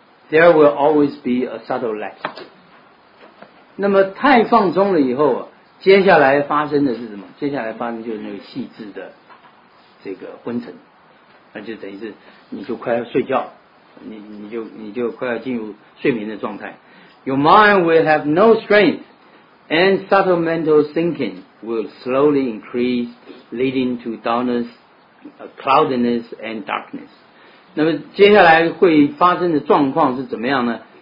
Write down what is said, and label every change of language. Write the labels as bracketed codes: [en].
[en] there will always be a subtle lack. [zh] 那么太放松了以后，接下来发生的是什么？接下来发生就是那个细致的这个昏沉，那就等于是你就快要睡觉，你就快要进入睡眠的状态。 [en] Your mind will have no strength, and subtle mental thinking will slowly increase, leading to dullness, cloudiness, and darkness. [zh] 那么接下来会发生的状况是怎么样呢？